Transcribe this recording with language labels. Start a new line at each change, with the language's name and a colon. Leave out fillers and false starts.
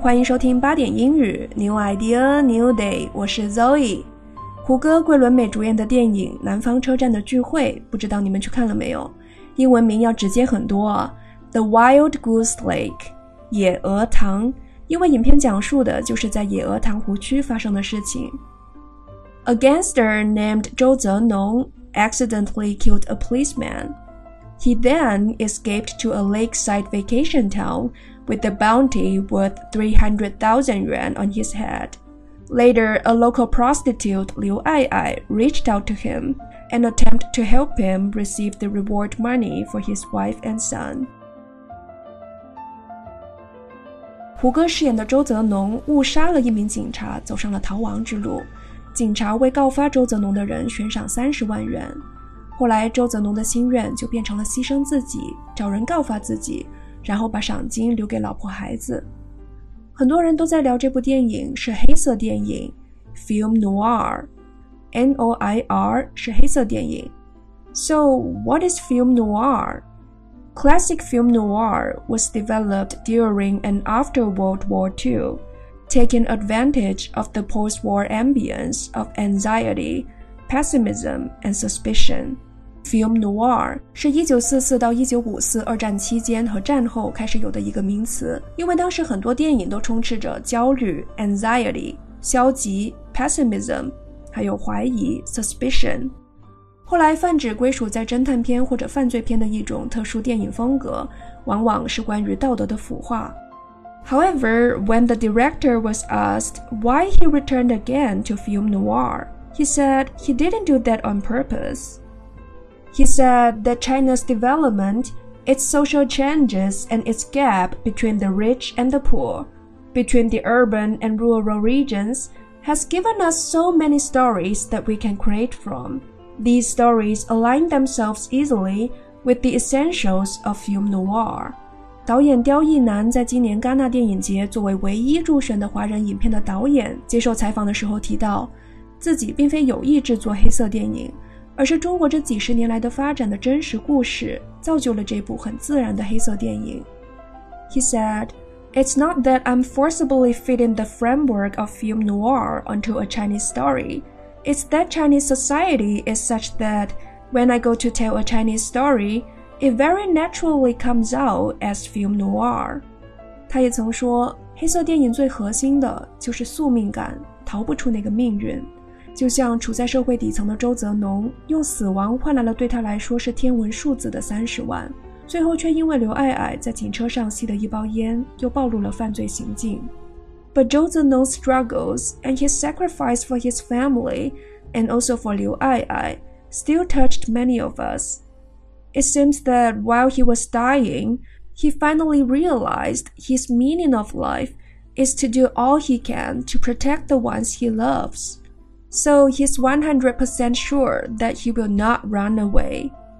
Chinese: 欢迎收听八点英语
English: New Idea, New Day.
Chinese: 我是 Zoe. 胡歌、桂纶镁主演的电影《南方车站的聚会》，不知道你们去看了没有？英文名要直接很多 ，The Wild Goose Lake, 野鹅塘，因为影片讲述的就是在野鹅塘湖区发生的事情。
English: A gangster named 周泽农 accidentally killed a policeman. He then escaped to a lakeside vacation town. With a bounty worth 300,000 yuan on his head. Later, a local prostitute, Liu Ai Ai, reached out to him and attempted to help him receive the reward money for his wife and son.
Chinese: 胡歌饰演的周泽农误杀了一名警察，走上了逃亡之路。警察为告发周泽农的人悬赏30万元。后来，周泽农的心愿就变成了牺牲自己，找人告发自己。然后把赏金留给老婆孩子。很多人都在聊这部电影是黑色电影 ,Film Noir。
English: N-O-I-R
Chinese: 是黑色电影。
English: So, what is Film Noir? Classic Film Noir was developed during and after World War II, taking advantage of the post-war ambience of anxiety, pessimism, and suspicion.
Chinese: Film Noir 是1944到1954二战期间和战后开始有的一个名词，因为当时很多电影都充斥着焦虑 anxiety 消极 pessimism 还有怀疑 suspicion， 后来泛指归属在侦探片或者犯罪片的一种特殊电影风格，往往是关于道德的腐化。
English: However, when the director was asked why he returned again to Film Noir, he said he didn't do that on purposeHe said that China's development, its social changes and its gap between the rich and the poor, between the urban and rural regions, has given us so many stories that we can create from. These stories align themselves easily with the essentials of film noir.
Chinese: 导演刁亦男在今年戛纳电影节作为唯一入选的华人影片的导演接受采访的时候提到，自己并非有意制作黑色电影。而是中国这几十年来的发展的真实故事造就了这部很自然的黑色电影。
English: He said, It's not that I'm forcibly fitting the framework of film noir onto a Chinese story. It's that Chinese society is such that when I go to tell a Chinese story, it very naturally comes out as film noir.
Chinese: 他也曾说，黑色电影最核心的就是宿命感，逃不出那个命运。就像处在社会底层的周泽农用死亡换来了对他来说是天文数字的30万，最后却因为刘爱爱在警车上吸的一包烟又暴露了犯罪行径。
English: But Zhou Zenong's struggles and his sacrifice for his family and also for Liu Aiai still touched many of us. It seems that while he was dying, he finally realized his meaning of life is to do all he can to protect the ones he lovesSo he's 100% sure that he will not run away.